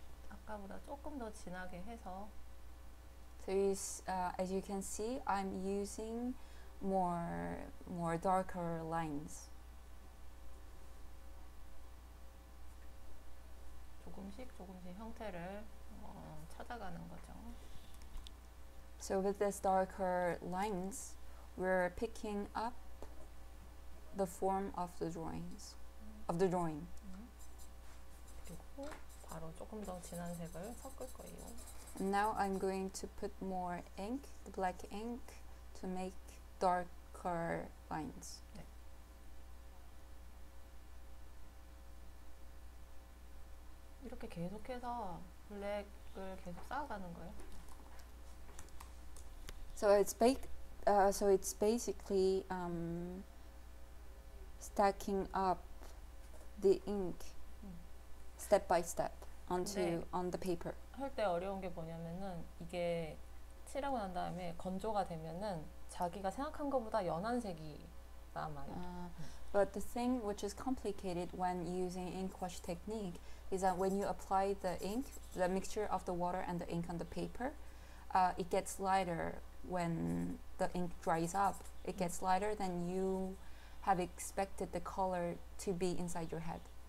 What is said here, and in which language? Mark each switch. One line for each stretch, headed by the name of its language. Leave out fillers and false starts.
Korean: 아까보다 조금 더 진하게 해서.
English: So as you can see, I'm using more darker lines.
Korean: 조금씩 형태를 찾아가는 거죠.
English: So with these darker lines, we're picking up the form of the drawings, of the drawing.
Korean: 그리고 바로 조금 더 진한 색을 섞을 거예요.
English: Now I'm going to put more ink, the black ink, to make darker lines.
Korean: 네. 이렇게 계속해서 블랙을 계속 쌓아가는 거예요.
English: So it's basically stacking up the ink step by step on the paper.
Korean: 할 때 어려운 게 뭐냐면은 이게 칠하고 난 다음에 건조가 되면은 자기가 생각한 것보다 연한 색이 남아요.
English: But the thing which is complicated when using inkwash technique is that when you apply the ink, the mixture of the water and the ink on the paper, it gets lighter when the ink dries up. It gets lighter than you have expected the color to be inside your head.